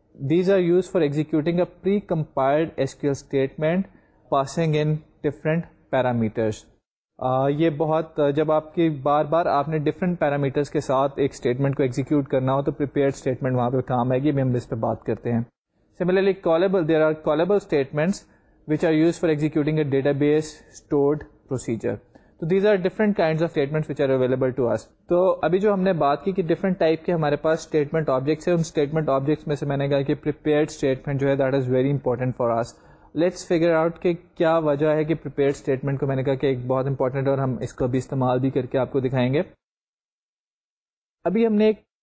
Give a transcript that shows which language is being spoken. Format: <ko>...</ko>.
<en>These are use for executing a pre compiled S Q L statement passing in different parameters.</en> <ur>یہ بہت جب آپ کی بار بار آپ نے ڈفرینٹ پیرامیٹرس کے ساتھ ایک اسٹیٹمنٹ کو ایگزیکیوٹ کرنا ہو تو پریپیئرڈ اسٹیٹمنٹ وہاں پہ کام آئے گی, ہم اس پہ بات کرتے ہیں.</ur> <en>Similarly callable, there are callable statements which are use for executing a database stored procedure.</en> <ur>تو</ur> <en>These are different kind of statement which are available to us.</en> <ur>تو ابھی جو ہم نے بات کی کہ ڈفرنٹ ٹائپ کے ہمارے پاس اسٹیٹمنٹ آبجیکٹس ہیں, ان اسٹیٹمنٹ آبجیکٹس میں سے میں نے کہا کہ پریپیئرڈ اسٹیٹمنٹ جو ہے</ur> <en>That is very important for us. Let's figure out</en> <ur>کہ کیا وجہ ہے کہ پریپیئرڈ اسٹیٹمنٹ کو میں نے کہا کہ ایک بہت امپورٹنٹ اور ہم اس کو بھی استعمال بھی کر کے آپ کو دکھائیں گے. ابھی ہم نے ایک</ur>